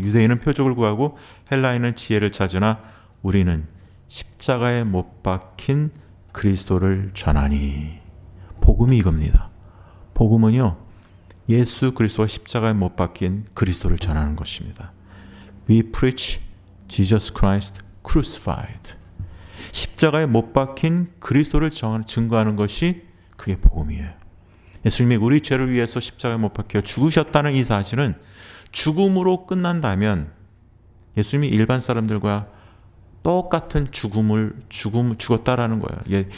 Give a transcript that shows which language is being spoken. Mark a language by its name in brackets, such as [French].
[Korean] 유대인은 표적을 구하고 헬라인은 지혜를 찾으나 우리는 십자가에 못 박힌 그리스도를 전하니. 복음이 이겁니다. 복음은요, 예수 그리스도와 십자가에 못 박힌 그리스도를 전하는 것입니다. [English] We preach Jesus Christ crucified. [Korean] 십자가에 못 박힌 그리스도를 증거하는 것이 그게 복음이에요. 예수님이 우리 죄를 위해서 십자가에 못 박혀 죽으셨다는 이 사실은 죽음으로 끝난다면 예수님이 일반 사람들과 똑같은 죽었다라는 거예요.